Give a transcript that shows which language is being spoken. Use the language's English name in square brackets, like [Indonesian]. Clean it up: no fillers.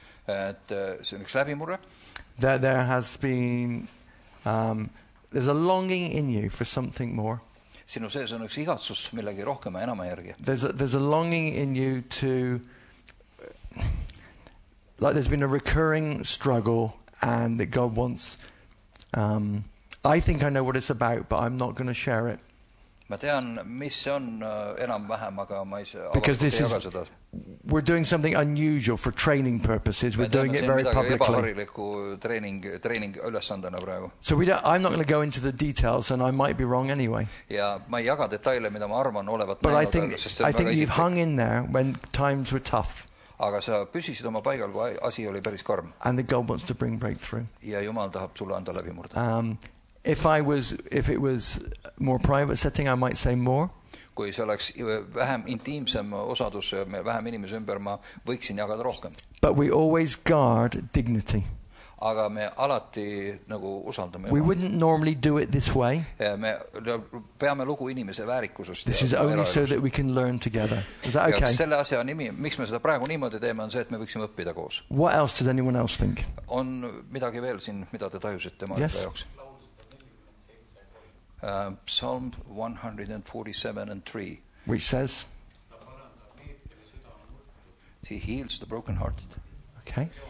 [English] That there has been, there's a longing in you for something more. [Estonian] sinu sees on üks igatsus millegi rohkema enama järgi. [English] There's a longing in you to, like there's been a recurring struggle and that God wants, I think I know what it's about, but I'm not going to share it. [Estonian] Ma tean, mis on enam vähem, aga ma ei saa. [English] Because this is, we're doing something unusual for training purposes. We're doing it very publicly. [Estonian] Training ülesandena praegu. [English] So we don't, I'm not going to go into the details, and I might be wrong anyway. [Estonian] Ja ma ei jaga detaile, mida ma arvan olevat. [English] But I think you've hung in there when times were tough. [Estonian] Aga sa püsisid oma paigal, kui asi oli päris karm. [English] And the God wants to bring breakthrough. [Estonian] Ja Jumal tahab tulla anda läbimurde. [English] If it was more private setting, I might say more. [Estonian] Kui see oleks vähem intiimsem osadus, vähem inimese ümber, ma võiksin jagada rohkem. [English] But we always guard dignity. [Estonian] Aga me alati nagu usaldame. [English] We wouldn't normally do it this way. [Estonian] Me peame lugu inimese väärikusest. [English] This is only so that we can learn together. Is that okay? [Estonian] Ja selle asja nimi, miks me seda praegu niimoodi teeme, on see, et me võiksime õppida koos. [English] What else does anyone else think? [Estonian] On midagi veel siin, mida te tajusite maailma [English] yes. [Estonian] jaoks. [English] Psalm 147:3. Which says, He heals the brokenhearted. Okay.